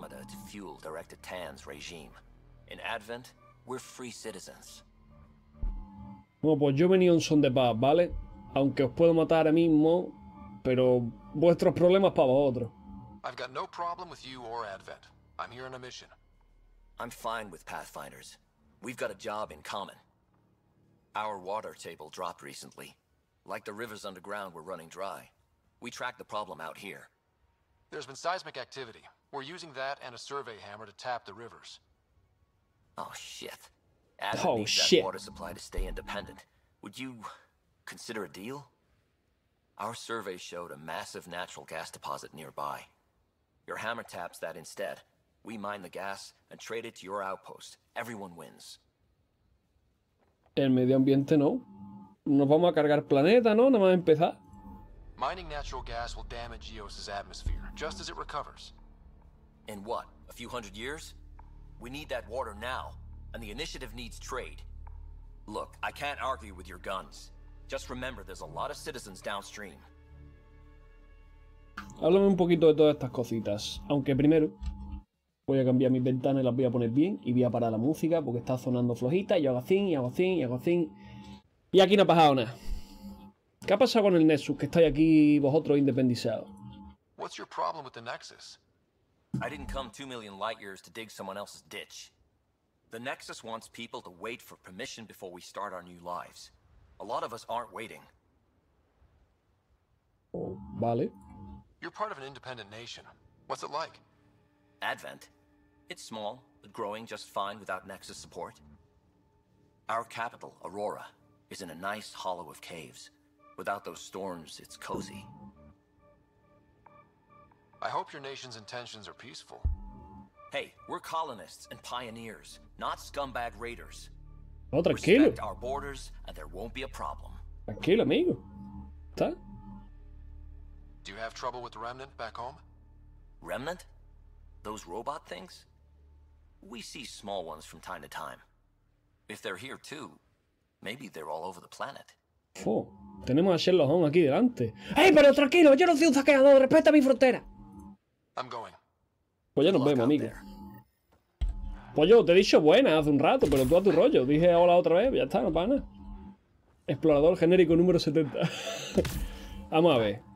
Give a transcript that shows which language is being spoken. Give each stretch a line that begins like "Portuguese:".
English: To fuel Director Tan's regime. In Advent, we're free citizens.
Spanish: Bueno, pues yo venía en son de paz, ¿vale? Aunque os puedo matar ahora mismo, pero vuestros problemas para vosotros.
English: I've got no problem with you or Advent. I'm here on a mission. I'm fine with Pathfinders. We've got a job in common. Our water table dropped recently. Like the rivers underground were running dry. We tracked the problem out here. There's been seismic activity. We're using that and a survey hammer to tap the rivers. Oh shit. Adam oh needs shit. That water supply to stay independent. Would you consider a deal? Our survey showed a massive natural gas deposit nearby. Your hammer taps that instead. We mine the gas and trade it to your outpost. Everyone wins.
Spanish: El medio ambiente no. Nos vamos a cargar planeta, ¿no? Nada más empezar.
English: Mining natural gas will damage Eos's atmosphere just as it recovers. In what? A few hundred years? We need that water now, and the initiative needs trade. Look, I can't argue with your guns. Just remember there's a lot of citizens downstream.
Spanish: Háblame un poquito de todas estas cositas, aunque primero voy a cambiar mis ventanas y las voy a poner bien y voy a parar la música porque está sonando flojita y hago así y hago así y hago así. Y aquí no ha pasado nada. ¿Qué ha pasado con el Nexus? Que estáis aquí vosotros independizados.
English: What's your problem with the Nexus? I didn't come 2 million light years to dig someone else's ditch. The Nexus wants people to wait for permission before we start our new lives. A lot of us aren't waiting.
Spanish: Oh, vale.
English: You're part of an independent nation. What's it like? Advent. It's small, but growing just fine without Nexus support. Our capital, Aurora, is in a nice hollow of caves. Without those storms, it's cozy. I hope your nation's intentions are peaceful. Hey, we're colonists and pioneers, not scumbag raiders.
Spanish: No, tranquilo.
English: Respect our borders, and there won't be a problem.
Spanish: Tranquilo, amigo. ¿Está?
English: Do you have trouble with the Remnant back home? Remnant? Those robot things? We see small ones from time to time. If they're here too, maybe they're all over the planet.
Spanish: Oh, tenemos a Sherlock Holmes aquí delante. ¡Ey, pero tranquilo! ¡Yo no soy un saqueador! ¡Respeta mi frontera!
English: I'm going.
Spanish: Pues ya nos vemos, amigo. Pues yo te he dicho buena hace un rato, pero tú a tu rollo. Dije hola otra vez, ya está, no pana. Explorador genérico número 70. Vamos a ver.